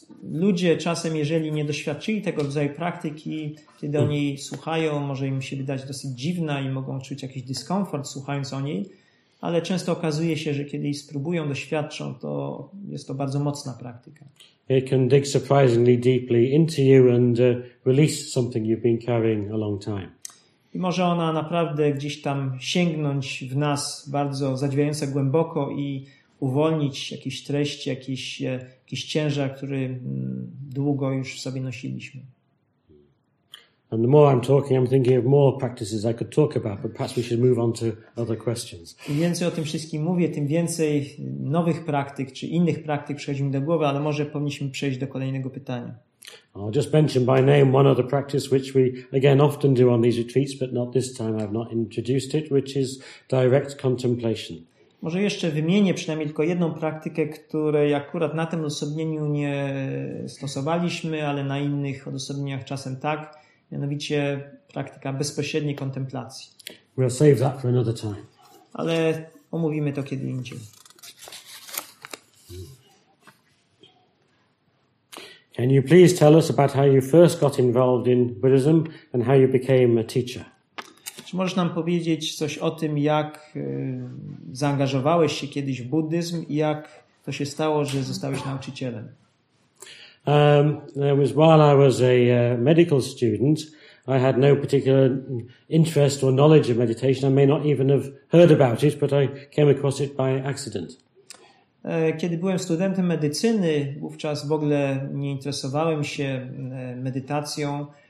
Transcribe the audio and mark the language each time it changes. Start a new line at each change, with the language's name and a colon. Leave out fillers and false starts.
Polish: Ludzie czasem, jeżeli nie doświadczyli tego rodzaju praktyki, kiedy o niej słuchają, może im się wydać dosyć dziwna i mogą czuć jakiś dyskomfort słuchając o niej, ale często okazuje się, że kiedy jej spróbują, doświadczą, to jest to bardzo mocna praktyka.
English: It can dig surprisingly deeply into you and release something you've been carrying a long time.
Polish: I może ona naprawdę gdzieś tam sięgnąć w nas bardzo zadziwiająco głęboko i uwolnić jakieś treści, jakiś ciężar, który długo już w sobie nosiliśmy.
English: And the more I'm talking, I'm thinking of more practices I could talk about, but perhaps we should move on to other questions.
Polish: Im więcej o tym wszystkim mówię, tym więcej nowych praktyk czy innych praktyk przychodzi mi do głowy, ale może powinniśmy przejść do kolejnego pytania.
English: I'll just mention by name one other practice which we again often do on these retreats, but not this time I've not introduced it, which is direct contemplation.
Polish: Może jeszcze wymienię przynajmniej tylko jedną praktykę, której akurat na tym odosobnieniu nie stosowaliśmy, ale na innych odosobnieniach czasem tak. Mianowicie praktyka bezpośredniej kontemplacji.
English: We'll save that for another time.
Polish: Ale omówimy to kiedy indziej.
English: Can you please tell us about how you first got involved in Buddhism and how you became a teacher?
Polish: Czy możesz nam powiedzieć coś o tym, jak zaangażowałeś się kiedyś w buddyzm i jak to się stało, że zostałeś nauczycielem?
English: It was while I was a medical student. I had no particular interest or knowledge of meditation. I may not even have heard about it, but I came across it by accident.
Polish: Kiedy byłem studentem medycyny, wówczas w ogóle nie interesowałem się medytacją.